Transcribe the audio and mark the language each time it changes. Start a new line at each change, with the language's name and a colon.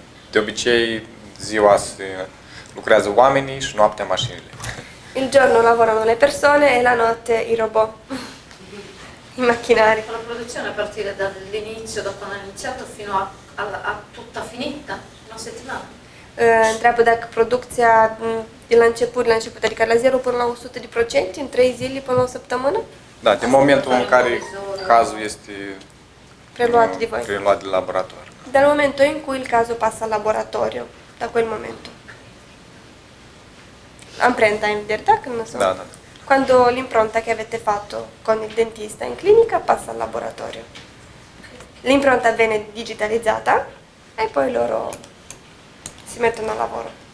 Romanian: De obicei, ziua se lucrează oamenii și noaptea mașinile.
Italian: Il giorno lavorano le persone e la notte i robot, i macchinari. La produzione a partire dall'inizio, da quando è iniziato, fino a tutta finita, una settimana?
Romanian: Întreabă dacă producția de la început, adică la 0 până la 100%, în 3 zile, până la o săptămână? Da, din momentul în care cazul este preluat de voi. Preluat de laborator.
Italian: Dal momento in cui il caso passa al laboratorio, da quel momento. Amprenta in verità, che non so.
Romanian: Da, da.
Italian: Quando l'impronta che avete fatto con il dentista in clinica passa al laboratorio. L'impronta viene digitalizzata e poi loro si mettono al lavoro.